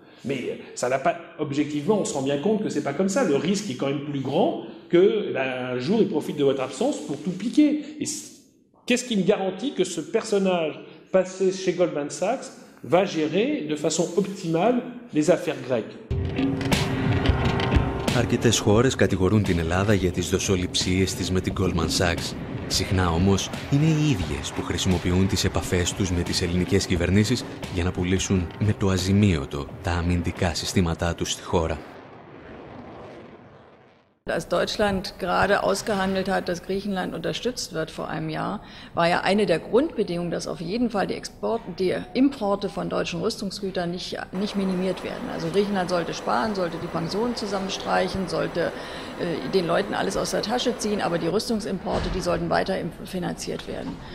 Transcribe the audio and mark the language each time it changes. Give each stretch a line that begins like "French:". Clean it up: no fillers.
French: Mais ça n'a pas, objectivement, on se rend bien compte que c'est pas comme ça. Le risque est quand même plus grand que, ben, un jour, il profite de votre absence pour tout piquer. Et qu'est-ce qui me garantit que ce personnage passé chez Goldman Sachs va gérer de façon optimale les affaires grecques?
Greek: Αρκετές χώρες κατηγορούν την Ελλάδα για τις δοσοληψίες της με την Goldman Sachs. Συχνά όμως είναι οι ίδιες που χρησιμοποιούν τις επαφές τους με τις ελληνικές κυβερνήσεις για να πουλήσουν με το αζημίωτο τα αμυντικά συστήματά τους στη χώρα.
German: Als Deutschland gerade ausgehandelt hat, dass Griechenland unterstützt wird vor einem Jahr, war ja eine der Grundbedingungen, dass auf jeden Fall die Importe von deutschen Rüstungsgütern nicht minimiert werden. Also Griechenland sollte sparen, sollte die Pensionen zusammenstreichen, sollte den Leuten alles aus der Tasche ziehen, aber die Rüstungsimporte, die sollten weiter finanziert werden.